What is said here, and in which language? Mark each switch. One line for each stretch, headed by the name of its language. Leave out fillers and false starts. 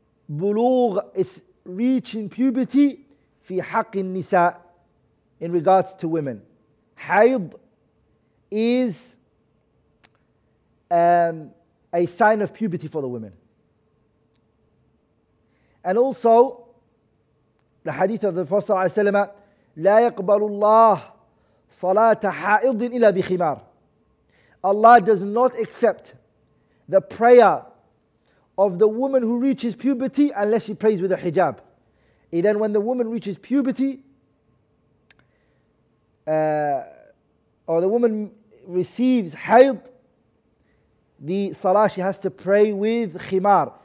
English: بلوغ, is reaching puberty,
Arabic: في حق النساء,
English: in regards to women. Hayd is a sign of puberty for the women. And also, the hadith of the Prophet ﷺ,
Arabic: لا يقبل الله صلاة حائض إلا بخمار.
English: Allah does not accept the prayer of the woman who reaches puberty unless she prays with a hijab. And then when the woman reaches puberty, or the woman receives hayd, the salah, she has to pray with khimar.